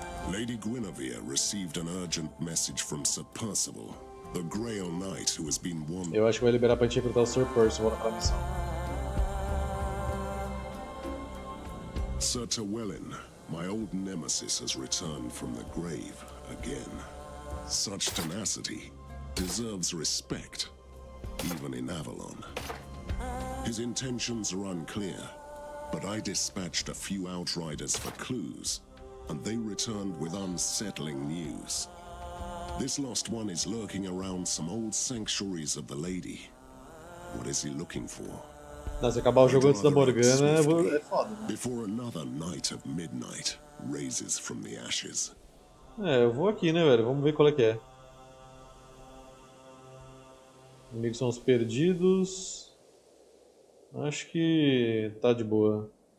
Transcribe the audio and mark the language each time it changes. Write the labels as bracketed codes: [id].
[en] Lady Guinevere received an urgent message from Sir Percival, the Grail Knight who has been wounded. [pt] Eu acho que vai liberar pra gente recrutar o Sir Percival na missão. [en] Sir Tawelin, my old nemesis has returned from the grave again. Such tenacity deserves respect, even in Avalon. His intentions are unclear. But I dispatched a few outriders for clues, and they returned with unsettling news. This lost one is lurking around some old sanctuaries of the lady. What is he looking for? [pt] Não, se acabar o jogo antes da Morgana, é foda. [en] Before another night of midnight raises from the ashes. [pt] É, eu vou aqui, né, velho? Vamos ver qual é que é. Amigos são os perdidos. Acho que tá de boa.